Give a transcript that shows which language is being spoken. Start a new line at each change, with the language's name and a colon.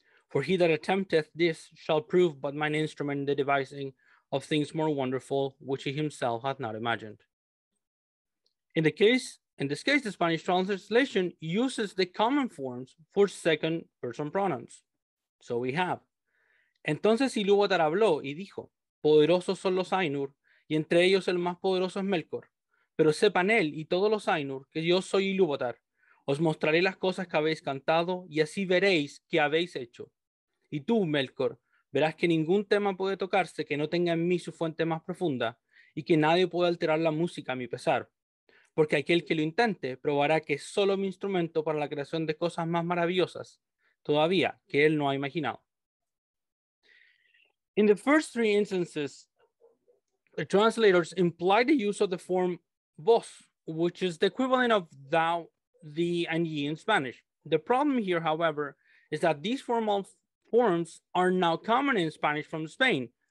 English: For he that attempteth this shall prove but mine instrument in the devising of things more wonderful, which he himself hath not imagined. In this case, the Spanish translation uses the common forms for second person pronouns. So we have,
Spanish: entonces Ilúvatar habló y dijo, poderosos son los Ainur, y entre ellos el más poderoso es Melkor. Pero sepan él y todos los Ainur que yo soy Ilúvatar. Os mostraré las cosas que habéis cantado y así veréis qué habéis hecho. Y tú, Melkor, verás que ningún tema puede tocarse que no tenga en mí su fuente más profunda y que nadie puede alterar la música a mi pesar. Porque aquel que lo intente probará que es solo mi instrumento para la creación de cosas más maravillosas todavía que él no ha imaginado.
English: In the first three instances, the translators imply the use of the form vos, which is the equivalent of thou, thee, and ye in Spanish. The problem here, however, is that these formal forms are now common in Spanish from Spain.